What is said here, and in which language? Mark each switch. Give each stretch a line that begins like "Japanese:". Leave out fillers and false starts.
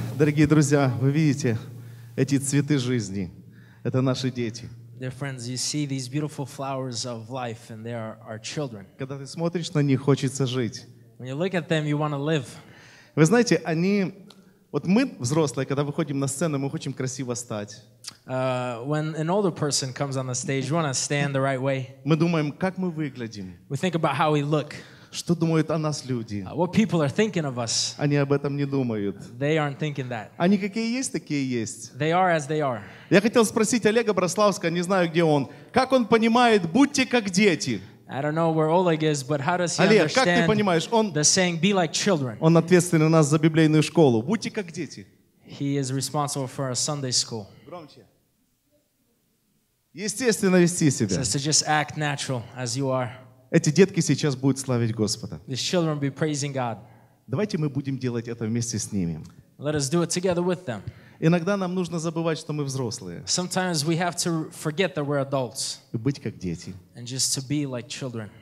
Russian: Дорогие друзья, вы видите эти цветы жизни? Это наши дети.
English: Dear friends, you see these beautiful flowers of life, and they are our children.
Russian: Когда ты смотришь на них, хочется жить.
English: When you look at them, you want to live.
Russian: Вы знаете, они, вот мы взрослые, когда выходим на сцену, мы хотим красиво стать.
English: When an older person comes on the stage, you want to stand the right way.
Russian: Мы думаем, как мы выглядим.
English: We think about how we look.
Russian: Что думают о нас люди?
English: What people are thinking of us?
Russian: Они об этом не думают.
English: They aren't thinking that.
Russian: Они какие есть, такие есть.
English: They are as they are.
Russian: Я хотел спросить Олега Брославского, не знаю, где он. Как он понимает, будьте как дети?
English: I don't know where Oleg is, but how does he
Russian: Олег, Олег, как ты понимаешь? Он,
English: the saying, be like children.
Russian: Он ответственен у нас за библейную школу. Будьте как дети.
English: He is responsible for our Sunday school.
Russian: Громче. Естественно вести себя.
English: So to just act natural as you are.
Russian: Эти детки сейчас будут славить Господа.
English: These children will be praising God.
Russian: Давайте мы будем делать это вместе с ними.
English: Let us do it together with them.
Russian: Иногда нам нужно забывать, что мы взрослые.
English: Sometimes we have to forget that we're adults.
Russian: И быть как дети.
English: And just to be like children.